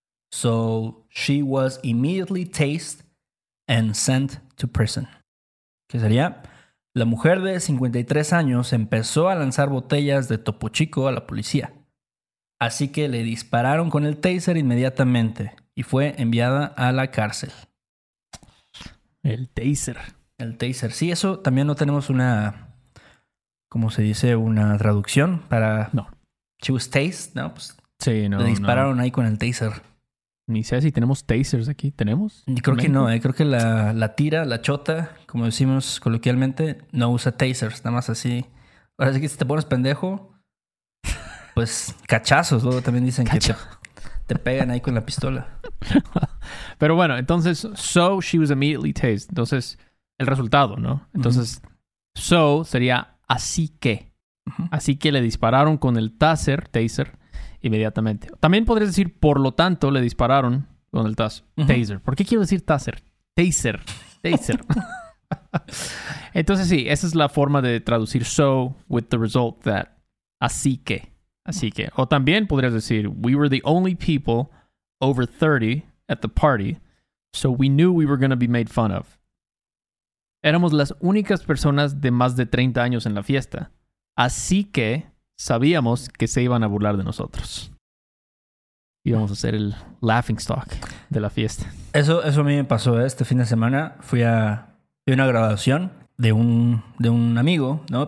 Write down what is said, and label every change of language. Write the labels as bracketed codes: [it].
[en] So she was immediately tased and sent to prison. [es] ¿Qué sería? La mujer de 53 años empezó a lanzar botellas de Topo Chico a la policía. Así que le dispararon con el taser inmediatamente y fue enviada a la cárcel. El taser. El taser. Sí, eso también no tenemos una... ¿Cómo se dice? Una traducción para... No. [en] She was tased, [es] ¿no? Pues sí, no. Le dispararon no. Ahí con el taser. Ni sé si tenemos tasers aquí. ¿Tenemos? Creo que no. Creo que la tira, la chota, como decimos coloquialmente, no usa tasers. Nada más así. Ahora sí que si te pones pendejo, pues cachazos. Luego también dicen que te pegan ahí con la pistola. Pero bueno, entonces, [en] so she was immediately tased. [es] Entonces, el resultado, ¿no? Entonces, uh-huh. So sería así que. Uh-huh. Así que le dispararon con el taser. Inmediatamente. También podrías decir, por lo tanto, le dispararon con el taser. Uh-huh. ¿Por qué quiero decir taser? Taser. Entonces, sí, esa es la forma de traducir [en] so with the result that. [es] Así que. O también podrías decir, we were the only people over 30 at the party, so we knew we were going to be made fun of. Éramos las únicas personas de más de 30 años en la fiesta. Así que sabíamos que se iban a burlar de nosotros. Íbamos a hacer el laughingstock de la fiesta. Eso a mí me pasó este fin de semana. Fui a una graduación de un amigo, ¿no?